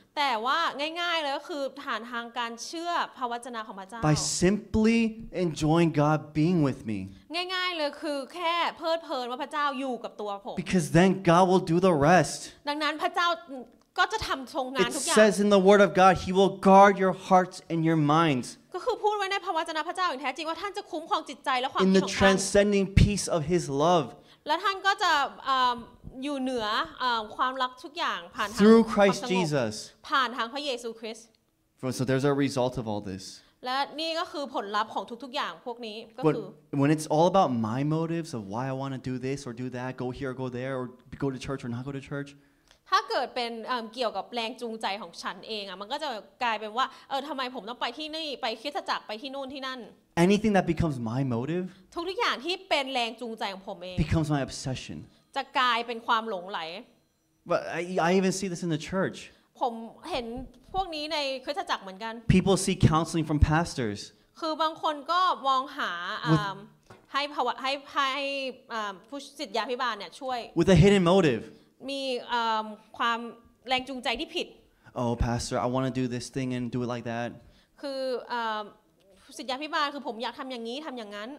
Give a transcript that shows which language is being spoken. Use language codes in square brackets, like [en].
[th] แต่ว่าง่ายๆเลยก็คือผ่านทางการเชื่อพระวจนะของพระเจ้า [en] By simply enjoying God being with me [th] ง่ายๆเลยคือแค่เพลิดเพลินว่าพระเจ้าอยู่กับตัวผม [en] Because then God will do the rest [th] ดังนั้นพระเจ้าก็จะทำทรงงานทุกอย่าง [en] It says in the word of God he will guard your hearts and your minds [th] ก็คือพูดไว้ในพระวจนะพระเจ้าอย่างแท้จริงว่าท่านจะคุ้มครองจิตใจและความคิดของ ท่าน [en] In the transcending peace of his love [th] และท่านก็จะอยู่เหนือความรักทุกอย่างผ่านท างพระเยซูคริ สต์ผ่านทางพระเยซูคริสต์ [en] So there's a result of all this [th] และนี่ก็คือผลลัพธ์ของทุกๆอย่างพวกนี้ก็คือ [en] When it's all about my motives of why I want to do this or do that go here or go there or go to church or not go to church [th] ถ้าเกิดเป็นเกี่ยวกับแรงจูงใจของฉันเองอ่ะมันก็จะกลายเป็นว่าเออทำไมผมต้องไปที่นี่ไปคริสตจักรไปที่นู่นที่นั่น [en] Anything that becomes my motive [th] ทุกอย่างที่เป็นแรงจูงใจของผมเอง [en] becomes my obsession [th] จะกลายเป็นความหลงไหล [en] But I even see this in the church [th] ผมเห็นพวกนี้ในคริสตจักรเหมือนกัน [en] People seek counseling from pastors [th] คือบางคนก็มองหาให้ภาวะให้ผู้ศิษยาภิบาลเนี่ยช่วย [en] With a hidden motivem [th] ความแรงจูงใจที่ผิด [en] Oh pastor I want to do this thing and do it like that [th] คือศิษยาภิบาลคือผมอยากทำอย่างนี้ทำอย่างนั้น